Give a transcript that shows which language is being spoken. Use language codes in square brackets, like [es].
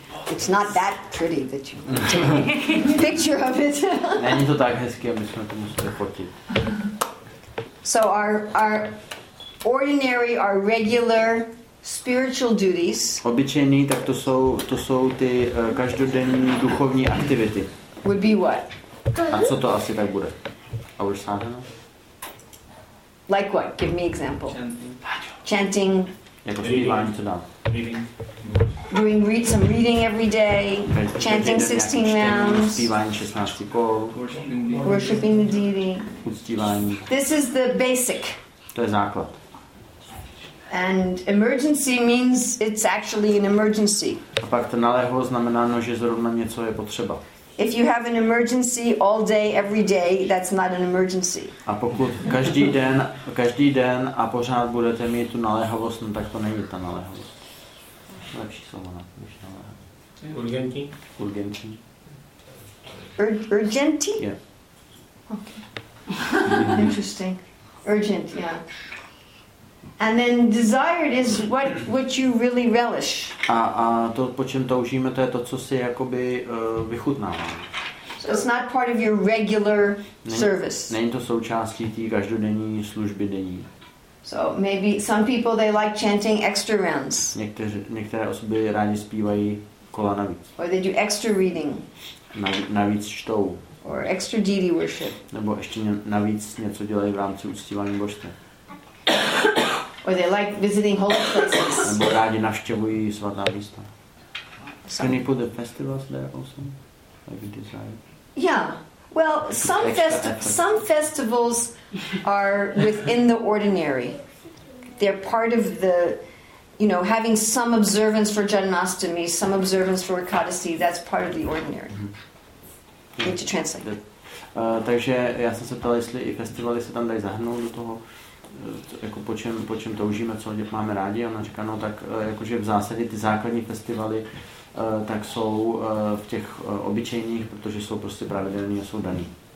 [en] It's not that pretty that you picture of it. [cs] Není to tak hezký, aby jsme to museli fotit. [en] So our ordinary, our regular spiritual duties. [cs] Obyčejný, tak to jsou ty každodenní duchovní aktivity. [en] Would be what? [cs] A co to asi tak bude? [en] Our sadhana? Like what? Give me example. Chanting. [cs] Jako zpívání, co dám? [en] Doing some reading every day. Chanting 16 rounds. [cs] Zpívání 16 kol. [en] Worshipping the deity. [cs] Uctívání. [en] This is the basic. [cs] To je základ. [en] And emergency means it's actually an emergency. [cs] A pak to naléhavo znamená, že zrovna něco je potřeba. [en] If you have an emergency all day, every day, that's not an emergency. [cs] A pokud každý den a pořád budete mít tu naléhavost, no tak to není ta naléhavost. Lepší slovo na to, než naléhavost. Urgenti? [en] Yeah. Okay. Interesting. Urgent, yeah. And then desired is what you really relish. [cs] A to, po čem toužíme, to je to, co si jakoby vychutnáváme. [en] So it's not part of your regular service. [cs] Není to součástí té každodenní služby denní. [en] So maybe some people they like chanting extra rounds. [cs] Některé osoby rádi zpívají kola navíc. [en] Or they do extra reading. [cs] Navíc čtou. [en] Or extra deity worship. [cs] Nebo ještě navíc něco dělají v rámci uctívání božstva. [en] Or they like visiting holy places. [cs] Nebo rádi navštěvují svatá místa. [en] Can you put the festivals there also? Like you desire? Yeah. Well, some festivals are within the ordinary. They're part of the, you know, having some observance for Janmashtami, some observance for Ekadasi, that's part of the ordinary. Mm-hmm. Need to translate. [cs] Takže já jsem se ptal, jestli i festivaly se tam dají zahrnout do toho. Jako po čem toužíme, co máme rádi, a ona říká, no tak jakože v zásadě ty základní festivaly tak jsou v těch obyčejných, protože jsou prostě pravidelní a jsou daný.